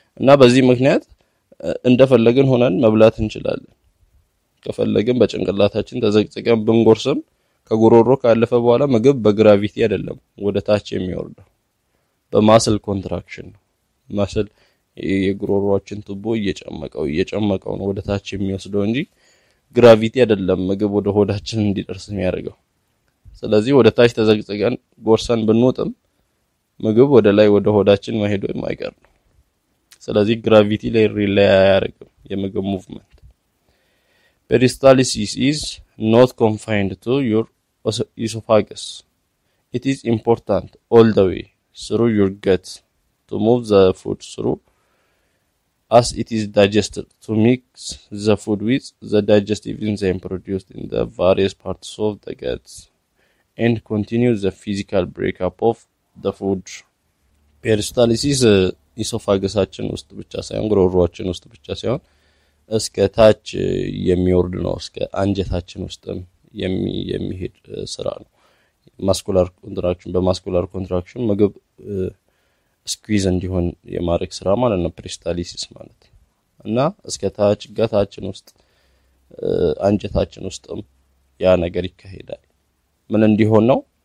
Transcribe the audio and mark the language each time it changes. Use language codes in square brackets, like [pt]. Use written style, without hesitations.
[am] እና በዚህ ምክንያት እንደፈለግን ሆነን መብላት እንችላለን። ከፈለግን በጭንቅላታችን ተዘቅዘቀን ብንጎርስም ከጉሮሮ ካለፈ በኋላ ምግብ በግራቪቲ አይደለም ወደ ታች የሚወርደው፣ በማስል ኮንትራክሽን ነው። ማስል የጉሮሮአችን ቱቦ እየጨመቀው ነው ወደ ታች የሚወስደው እንጂ ግራቪቲ አይደለም ምግብ ወደ ሆዳችን እንዲደርስ የሚያደርገው። ስለዚህ ወደ ታች ተዘግዘገን ጎርሰን ብንወጥም ምግብ ወደ ላይ ወደ ሆዳችን መሄዱ የማይቀር። ስለዚህ ግራቪቲ ላይ ሪላይ ያደርጋል የምግብ ሙቭመንት። [en] Peristalsis is not confined to your esophagus. It is important all the way through your gut to move the food through as it is digested to mix the food with the digestive enzyme produced in the various parts of the gut and continue the physical breakup of the food. [am] Peristalsis ኢሶፋገሳችን ውስጥ ብቻ ሳይሆን ጉሮሮአችን ውስጥ ብቻ ሳይሆን እስከ ታች የሚወርድ ነው፣ እስከ አንጀታችን ውስጥም የሚሄድ ስራ ነው። ማስኩላር ኮንትራክሽን በማስኩላር ኮንትራክሽን ምግብ ስኩዊዝ እንዲሆን የማድረግ ስራ ማለት ነው ፕሪስታሊሲስ ማለት ነው። እና እስከ ታች ገታችን ውስጥ አንጀታችን ውስጥም ያ ነገር ይካሄዳል። ምን እንዲሆን ነው?